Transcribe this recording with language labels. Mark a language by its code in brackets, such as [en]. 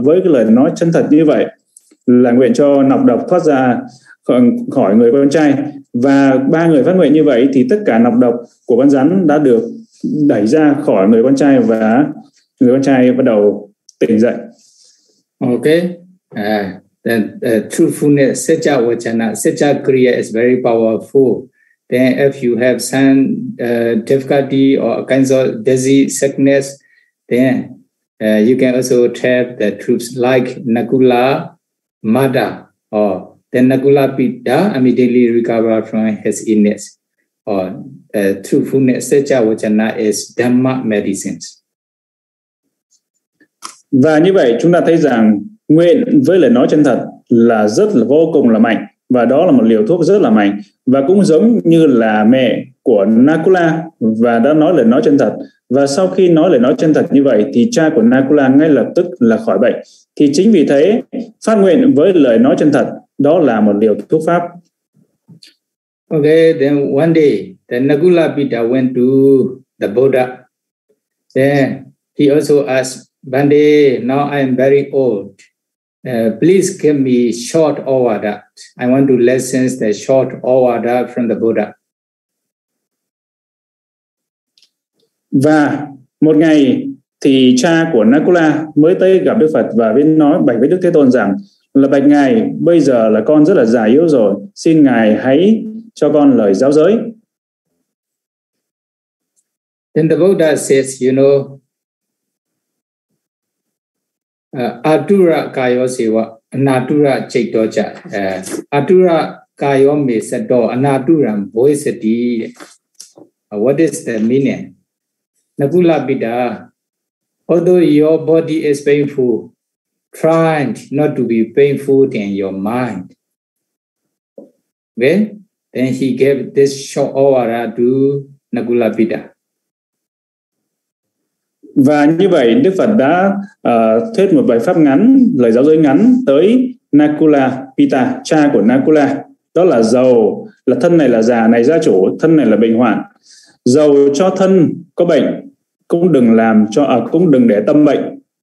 [vi] Với cái lời nói chân thật như vậy là nguyện cho nọc độc thoát ra khỏi người con trai. Và ba người phát nguyện như vậy thì tất cả nọc độc của con rắn đã được đẩy ra khỏi người con trai và người con trai bắt đầu tỉnh dậy. [en] Okay. Then truthfulness, secha vachana, secha kriya is very powerful. Then if you have some difficulty or kinds of disease, sickness, then you can also tell the truth like Nakula Mada or then Nakula Pita immediately recover from his illness. Or truthfulness, secha vachana is Dhamma medicines. [vi] Và như vậy chúng ta thấy rằng nguyện với lời nói chân thật là rất là vô cùng là mạnh. và đó là một liều thuốc rất là mạnh. Và cũng giống như là mẹ của Nakula và đã nói lời nói chân thật. Và sau khi nói lời nói chân thật như vậy thì cha của Nakula ngay lập tức là khỏi bệnh. Thì chính vì thế phát nguyện với lời nói chân thật đó là một liều thuốc pháp. [en] Okay, then one day the Nakula Pita went to the Buddha. Then he also asked, Bande, now I am very old. Please give me short avada. I want to listen the short avada from the Buddha. [vi] Và một ngày thì cha của Nakula mới tới gặp Đức Phật và biết nói bạch với Đức Thế Tôn rằng là bạch ngài, bây giờ là con rất là già yếu rồi, xin ngài hãy cho con lời giáo giới. [pi] Then the Buddha says, you know, Atura kayo seva anatura chaito cha. Atura kayo me sato anaturam bhoisati. [en] What is the meaning? Nakula Pita, although your body is painful, try not to be painful in your mind. Okay? Then he gave this short avada to Nakula Pita. [vi] Và như vậy Đức Phật đã thuyết một bài pháp ngắn, lời giáo giới ngắn tới Nakula Pita, cha của Nakula. Đó là dầu, là thân này là già, này gia chủ, thân này là bệnh hoạn. Dầu cho thân có bệnh, cũng đừng làm cho cũng đừng để tâm bệnh.